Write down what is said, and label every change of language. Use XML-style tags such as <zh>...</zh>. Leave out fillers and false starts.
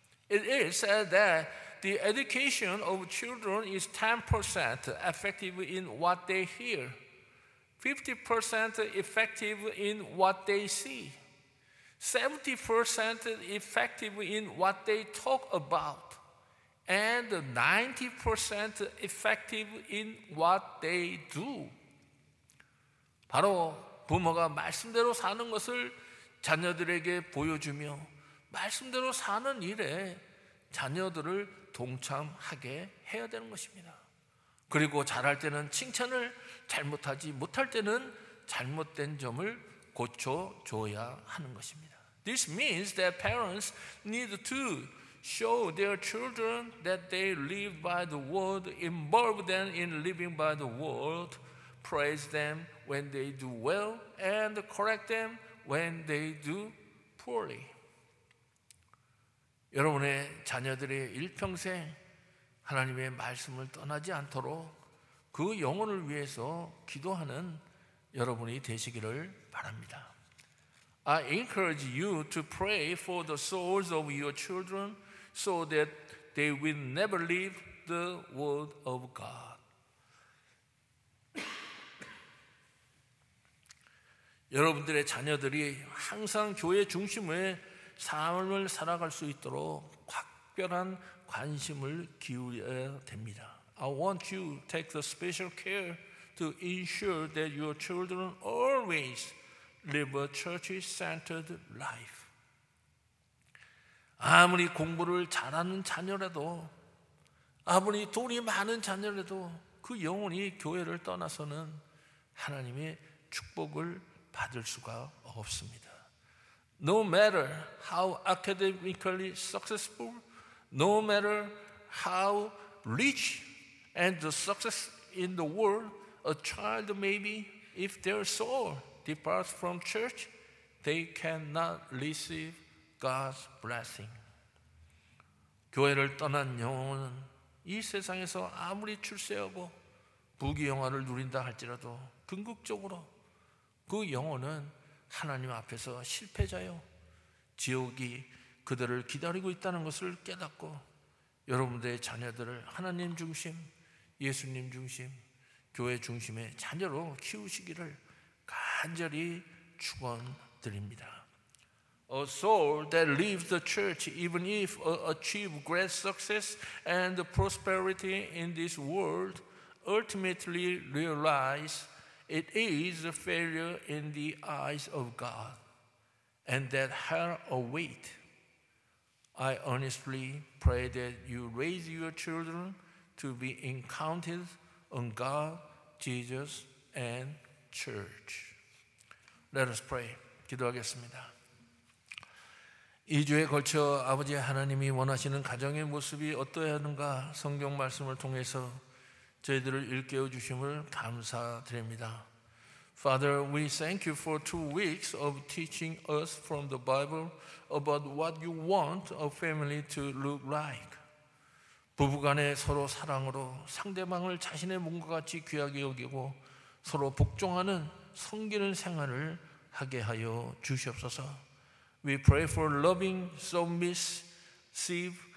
<en>It is said that the education of children is 10% effective in what they hear, 50% effective in what they see, 70% effective in what they talk about, and 90% effective in what they do.</en> <ko>바로 부모가 말씀대로 사는 것을 자녀들에게 보여주며 말씀대로 사는 일에 자녀들을 동참하게 해야 되는 것입니다. 그리고 잘할 때는 칭찬을, 잘못하지 못할 때는 잘못된 점을 고쳐줘야 하는 것입니다.</ko> <en>This means that parents need to show their children that they live by the word, involve them in living by the word, praise them when they do well, and correct them when they do poorly.</en> <ko>여러분의 자녀들이 일평생 하나님의 말씀을 떠나지 않도록 그 영혼을 위해서 기도하는 여러분이 되시기를 바랍니다.</ko> <en>I encourage you to pray for the souls of your children so that they will never leave the word of God.</en> <ko>여러분들의 자녀들이 항상 교회 중심에 삶을 살아갈 수 있도록 각별한 관심을 기울여야 됩니다.</ko> <en>I want you to take the special care to ensure that your children always live a church-centered life.</en> <ko>아무리 공부를 잘하는 자녀라도, 아무리 돈이 많은 자녀라도 그 영혼이 교회를 떠나서는 하나님의 축복을 받을 수가 없습니다.</ko> <en>No matter how academically successful, no matter how rich and success in the world a child may be, if their soul departs from church, they cannot receive God's blessing.</en> <ko>교회를 떠난 영혼은 이 세상에서 아무리 출세하고 부귀영화를 누린다 할지라도 궁극적으로 그 영혼은 하나님 앞에서 실패자요, 지옥이 그들을 기다리고 있다는 것을 깨닫고 여러분들의 자녀들을 하나님 중심, 예수님 중심, 교회 중심의 자녀로 키우시기를 간절히 축원드립니다.</ko> <en>A soul that leaves the church, even if achieve great success and prosperity in this world, ultimately realize it is a failure in the eyes of God, and that hell awaits. I earnestly pray that you raise your children to be encountered on God, Jesus, and church. Let us pray.</en> <ko>기도하겠습니다. 2주에 걸쳐 아버지 하나님이 원하시는 가정의 모습이 어떠해야 하는가 성경 말씀을 통해서 저희들을 일깨워 주심을 감사드립니다.</ko> <en>Father, we thank you for 2 weeks of teaching us from the Bible about what you want a family to look like.</en> <ko>부부간의 서로 사랑으로 상대방을 자신의 몸과 같이 귀하게 여기고 서로 복종하는 섬기는 생활을 하게 하여 주시옵소서.</ko> <en>We pray for loving, submissive,</en>